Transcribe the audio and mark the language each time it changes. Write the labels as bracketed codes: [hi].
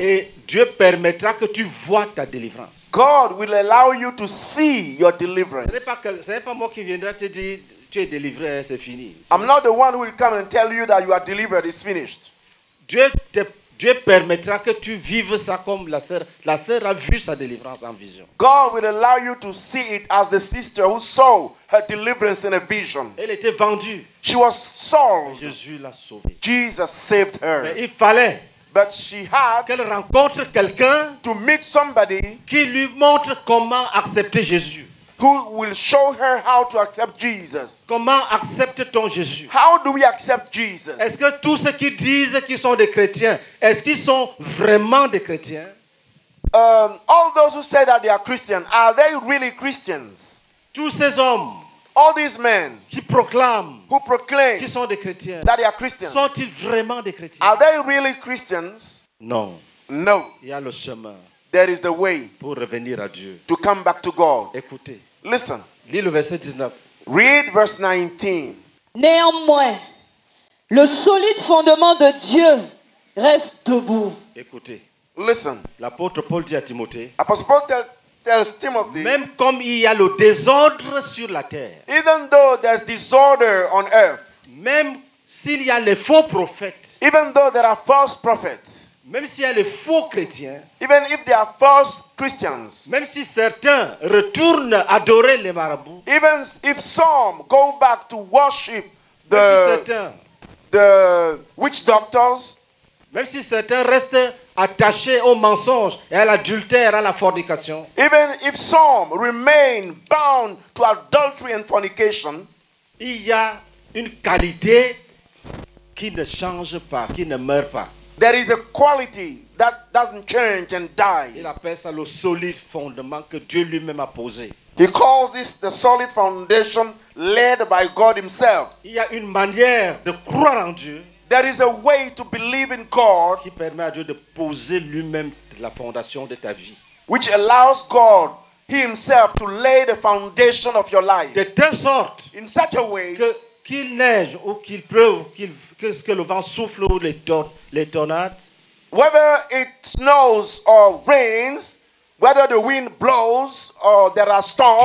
[fr] Et Dieu permettra que tu vois ta délivrance. [en] God will allow you to see your deliverance. [fr] Ce n'est pas moi qui viendra te dire tu es délivré, c'est fini. [en] I'm not the one who will come and tell you that you are delivered, it's finished. [fr] Dieu permettra que tu vives ça comme la sœur. La sœur a vu sa délivrance en vision. [en] God will allow you to see it as the sister who saw her deliverance in a vision. [fr] Elle était vendue. [en] She was sold. [fr] Mais Jésus l'a sauvée. [en] Jesus saved her. [fr] Mais il fallait. [en] But she had [fr] qu'elle rencontre quelqu'un [en] to meet somebody [fr] qui lui montre comment accepter Jésus. [en] Who will show her how to accept Jesus? [fr] Comment accepte-t-on Jésus? [en] How do we accept Jesus? [fr] Est-ce que tous ceux qui disent qu'ils sont des chrétiens, est-ce qu'ils sont vraiment des chrétiens? [en] All those who say that they are Christians, are they really Christians? [fr] Tous ces hommes, [en] all these men, [fr] qui proclament, [en] who proclaim, [fr] qu'ils sont des chrétiens, [en] that they are Christians, [fr] sont-ils vraiment des chrétiens? [en] Are they really Christians? [fr] Non. [en] No. [fr] Il y a le chemin. [en] There is the way [fr] pour revenir à Dieu. [en] To come back to God. [fr] Écoutez. [en] Listen. [fr] Lis le verset 19. [en] Read verse 19. [fr] Néanmoins, le solide fondement de Dieu reste debout. Écoutez. [en] Listen. [fr] L'apôtre Paul dit à Timothée. [en] Apostle Paul tells Timothy. [fr] Même comme il y a le désordre sur la terre. [en] Even though there's disorder on earth. [fr] Même s'il y a les faux prophètes. [en] Even though there are false prophets. [fr] Même s'il y a les faux chrétiens, [en] even if they are false Christians, [fr] même si certains retournent adorer les marabouts, [en] even if some go back to worship the, [fr] même si certains, [en] the witch doctors, [fr] même si certains restent attachés aux mensonges et à l'adultère, à la fornication, [en] even if some remain bound to adultery and fornication, [fr] il y a une qualité qui ne change pas, qui ne meurt pas. [en] There is a quality that doesn't change and die. [fr] Il appelle ça le solide fondement que Dieu lui-même a posé. [en] He calls this the solid foundation laid by God himself. [fr] Il y a une manière de croire en Dieu. [en] There is a way to believe in God. [fr] Qui permet à Dieu de poser lui-même la fondation de ta vie. [en] Which allows God himself to lay the foundation of your life. [fr] De telle sorte. [en] In such a way. [fr] Que qu'il neige ou qu'il pleuve, que le vent souffle ou les tornades. [en] Whether it snows or rains, Whether the wind blows or there are storms,